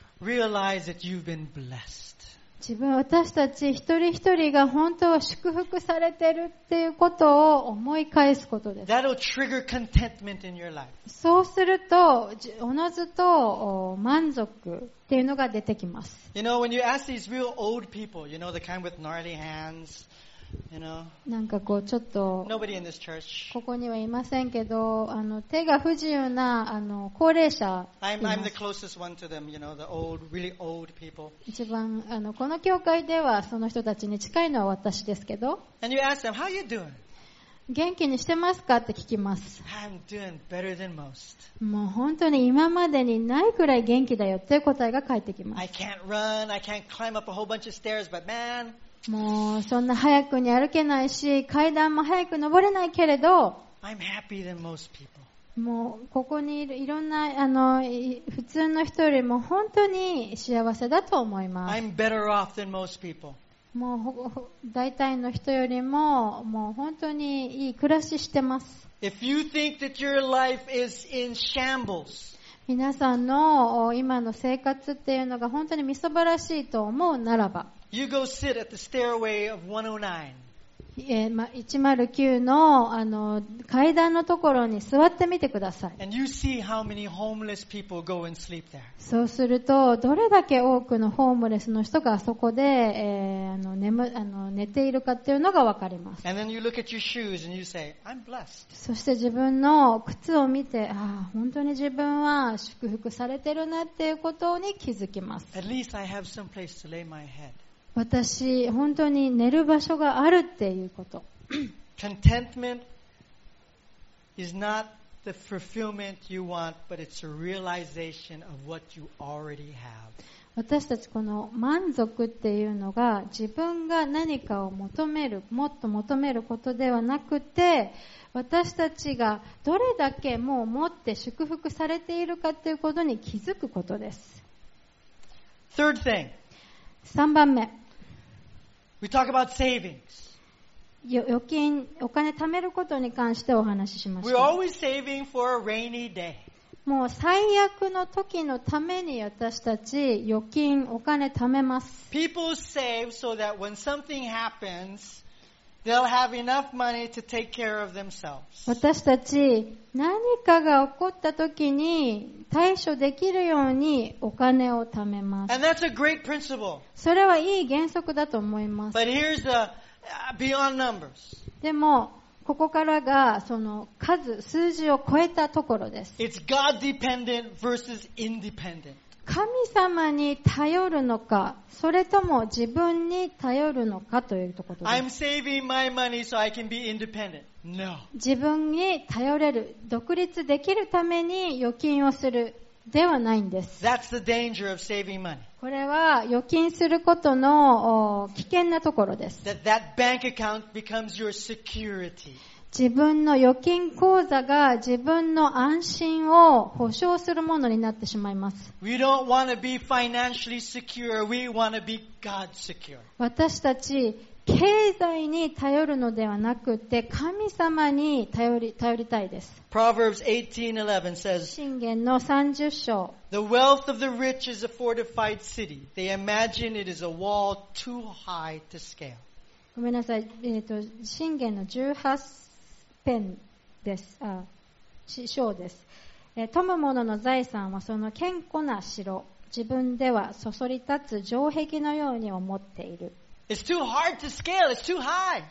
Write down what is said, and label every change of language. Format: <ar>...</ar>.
<en>Realize that you've been blessed.</en> <ja>自分私たち一人一人が本当は祝福されてるっていうことを思い返すことです。</ja> <en>That'll trigger contentment in your life.</en> <ja>そうすると、おのずと満足っていうのが出てきます。</ja> <en>You know, when you ask these real old people, you know, the kind with gnarly hands, you know.</en> <ja>なんかこうちょっと、</ja> <en>Nobody in this church.</en> <ja>ここにはいませんけど、手が不自由な高齢者。</ja> <en>I'm the closest one to them, you know, the old, really old people.</en> <ja>一番この教会ではその人たちに近いのは私ですけど。</ja> <en>And you ask them, how you doing?</en> <ja>元気にしてますかって聞きます。</ja> <en>I'm doing better than most.</en> <ja>もう本当に今までにないくらい元気だよって答えが返ってきます。</ja> <en>I can't run, I can't climb up a whole bunch of stairs, but man.</en> <ja>もうそんな早くに歩けないし、階段も早く登れないけれど、</ja> <en>I'm happier than most people.</en> <ja>もうここにいるいろんな普通の人よりも本当に幸せだと思います。</ja> <en>I'm better off than most people.</en> <ja>もう大体の人よりも、もう本当にいい暮らししてます。</ja> <en>If you think that your life is in shambles,</en> <ja>皆さんの今の生活っていうのが本当にみそばらしいと思うならば、</ja> <en>you go sit at the stairway of 109.</en> <ja>109 の, 階段のところに座ってみてください。</ja> <en>And you see how many homeless people go and sleep there.</en> <ja>そうすると、どれだけ多くのホームレスの人があそこで、寝ているかっていうのがわかります。</ja> <en>And then you look at your shoes and you say, I'm blessed.</en> <ja>そして自分の靴を見て、ああ、本当に自分は祝福されてるなっていうことに気づきます。</ja> <en>At least I have some place to lay my head.</en> <ja>私本当に寝る場所があるっていうこと。</ja> <en>Contentment is not the fulfillment you want, but it's a realization of what you already have.</en> <ja>私たちこの満足っていうのが自分が何かを求めるもっと求めることではなくて、私たちがどれだけもう持って祝福されているかっていうことに気づくことです。</ja> <en>Third thing.</en> <ja>3番目。</ja> <en>We talk about savings.</en> <ja>預金、お金貯めることに関してお話ししました。</ja> <en>We're always saving for a rainy day.</en> <ja>もう最悪の時のために私たち預金、お金貯めます。</ja> <en>People save so that when something happens, they'll have enough money to take care of themselves.</en> <ja>私たち何かが起こった時に対処できるようにお金を貯めます。</ja> <en>And that's a great principle.</en> <ja>それはいい原則だと思います。</ja> <en>But here's the beyond numbers.</en> <ja>でもここからがその数、数字を超えたところです。</ja> <en>It's God dependent versus independent.</en> <ja>神様に頼るのか、それとも自分に頼るのかというところです。</ja> <en>I'm saving my money so I can be independent. No.</en> <ja>自分に頼れる、独立できるために預金をするではないんです。</ja> <en>That's the danger of saving money.</en> <ja>これは預金することの危険なところです。</ja> <en>that bank account becomes your security.</en> <ja>自分の預金口座が自分の安心を保証するものになってしまいます。</ja> <en>We don't want to be financially secure. We want to be God secure.</en> <ja>私たち経済に頼るのではなくて神様に頼りたいです。</ja> <en>Proverbs 18:11 says,</en> <ja>箴言の30章、</ja> <en>The wealth of the rich is a fortified city. They imagine it is a wall too high to scale.</en> <ja>ごめんなさい、箴言の18ペンです、あ、章です。富む者の財産はその堅固な城、自分ではそそり立つ城壁のように思っている。</ja> <en>It's too hard to scale. It's too high.</en>